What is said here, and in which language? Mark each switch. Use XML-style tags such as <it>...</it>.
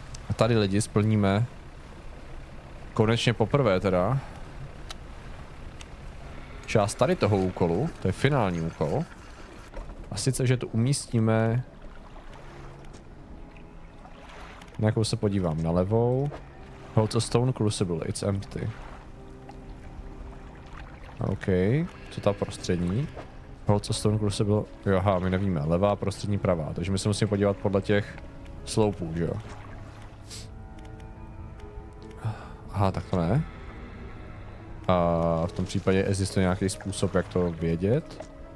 <cs>A tady lidi splníme. Konečně poprvé teda. Část tady toho úkolu, to je finální úkol. A sice, že tu umístíme... Na jakou se podívám, na levou.</cs> <en>Hold a stone crucible, it's empty.</en> <cs>OK, co ta prostřední?</cs> <en>Hold a stone crucible,</en> <cs>jo, aha, my nevíme, levá, prostřední, pravá. Takže my se musíme podívat podle těch sloupů, že jo. Aha, tak to ne. A v tom případě existuje nějaký způsob, jak to vědět.</cs>